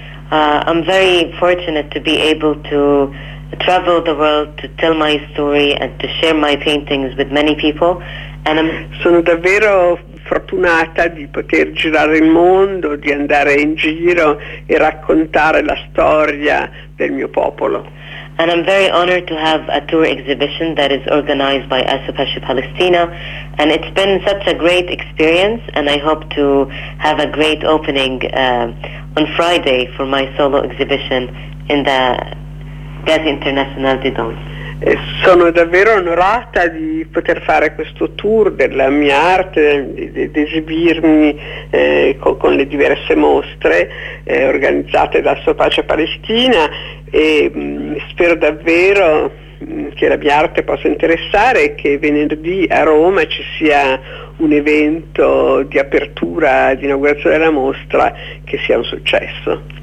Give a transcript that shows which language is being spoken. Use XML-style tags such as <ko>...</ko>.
<en>I'm very fortunate to be able to travel the world to tell my story and to share my paintings with many people. And</en> <it>sono davvero fortunata di poter girare il mondo, di andare in giro e raccontare la storia del mio popolo.</it> <en>And I'm very honored to have a tour exhibition that is organized by Asopesha Palestina, and it's been such a great experience, and I hope to have a great opening on Friday for my solo exhibition in the Gazi International di Don.</en> <it>E sono davvero onorata di poter fare questo tour della mia arte, di esibirmi con le diverse mostre organizzate da Asopesha Palestina, e spero davvero che la mia arte possa interessare e che venerdì a Roma ci sia un evento di apertura, di inaugurazione della mostra, che sia un successo.</it>